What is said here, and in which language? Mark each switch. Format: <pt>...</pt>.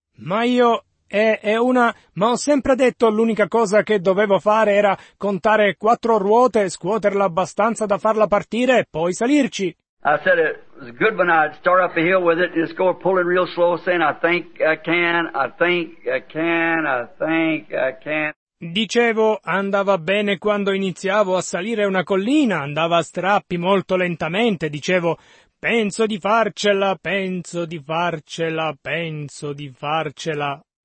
<it>Ma io ma ho sempre detto l'unica cosa che dovevo fare era contare quattro ruote, scuoterla abbastanza da farla partire e poi salirci.</it> <en>I said it was good when I'd start up the hill with it and just go pulling real slow saying I think I can, I think I can, I think I can.</en> <it>Dicevo, andava bene quando iniziavo a salire una collina, andava a strappi molto lentamente, dicevo, penso di farcela, penso di farcela, penso di farcela.</it>